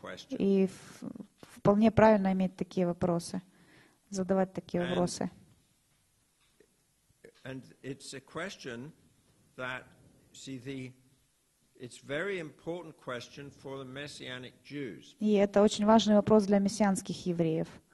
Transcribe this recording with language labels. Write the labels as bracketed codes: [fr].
[ru] И вполне правильно иметь такие вопросы, задавать такие вопросы. [en] And it's a question that, see, the it's very important question for the messianic Jews. [ru] И это очень важный вопрос для мессианских евреев.